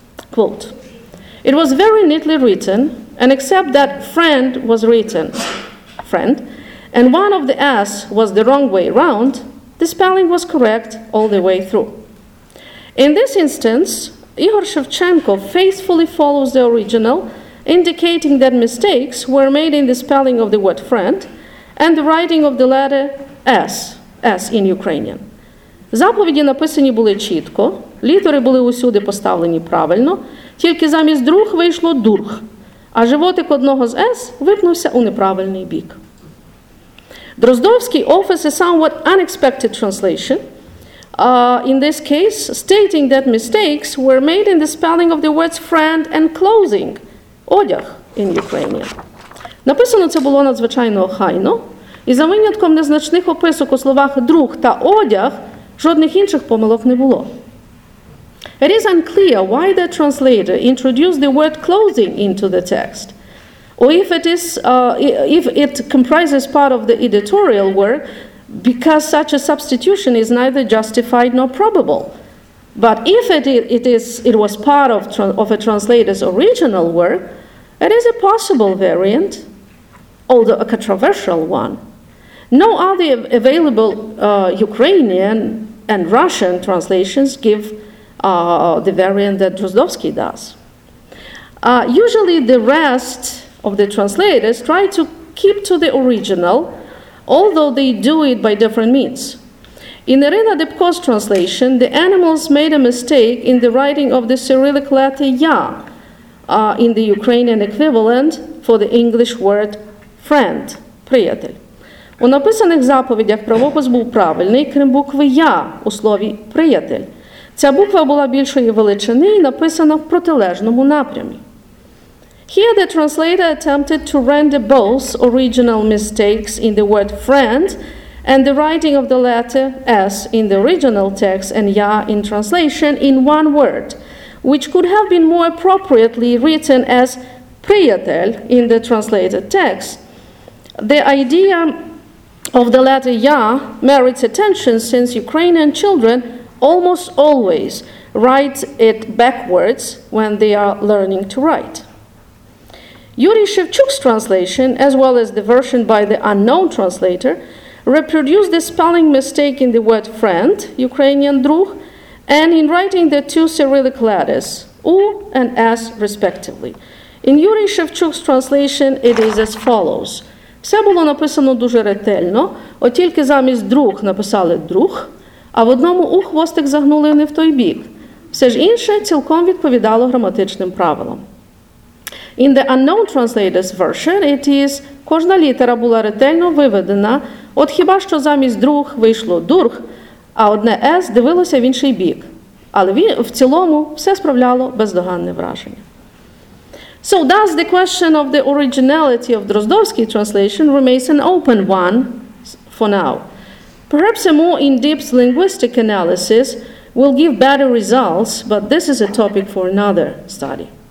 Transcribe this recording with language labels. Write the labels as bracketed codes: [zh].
[en] Quote, it was very neatly written, and except that friend was written, friend, and one of the S was the wrong way round, the spelling was correct all the way through. In this instance, Ihor Shevchenko faithfully follows the original, indicating that mistakes were made in the spelling of the word friend and the writing of the letter S, S in Ukrainian. [uk] Заповіді написані були чітко, літери були усюди поставлені правильно, тільки замість друг вийшло дург, а животик одного з S випнувся у неправильний бік. [en] Дроздовський offers a somewhat unexpected translation, in this case, stating that mistakes were made in the spelling of the words friend and clothing, одяг, in Ukrainian. [uk] Написано це було надзвичайно охайно, і за винятком незначних описок у словах друг та одяг, жодних інших помилок не було. [en] It is unclear why the translator introduced the word clothing into the text, or if it comprises part of the editorial work, because such a substitution is neither justified nor probable. But if it was part of a translator's original work, it is a possible variant, although a controversial one. No other available Ukrainian and Russian translations give the variant that Drozdovsky does. Usually the rest of the translators try to keep to the original, although they do it by different means. In Irina Debko's translation, the animals made a mistake in the writing of the Cyrillic letter Ya, in the Ukrainian equivalent for the English word friend, приятель. [uk] У написаних заповідях правопис був правильний, крім букви Я у слові приятель. Ця буква була більшої величини і написана в протилежному напрямі. [en] Here the translator attempted to render both original mistakes in the word friend and the writing of the letter S in the original text and Ya in translation in one word, which could have been more appropriately written as приятель in the translated text. The idea of the letter Ya merits attention since Ukrainian children almost always write it backwards when they are learning to write. Yuri Shevchuk's translation, as well as the version by the unknown translator, reproduced the spelling mistake in the word friend, Ukrainian drug, and in writing the two Cyrillic letters, U and S, respectively. In Yuri Shevchuk's translation, it is as follows. [uk] Все було написано дуже ретельно, от тільки замість друг написали друг, а в одному у хвостик загнули не в той бік. Все ж інше цілком відповідало граматичним правилам. [en] In the unknown translator's version, it is [uk] кожна літера була ретельно виведена, от хіба що замість друг вийшло дург, а одне «с» дивилося в інший бік. Але в цілому все справляло бездоганне враження. [en] So thus the question of the originality of Drozdovsky's translation remains an open one for now. Perhaps a more in-depth linguistic analysis will give better results, but this is a topic for another study.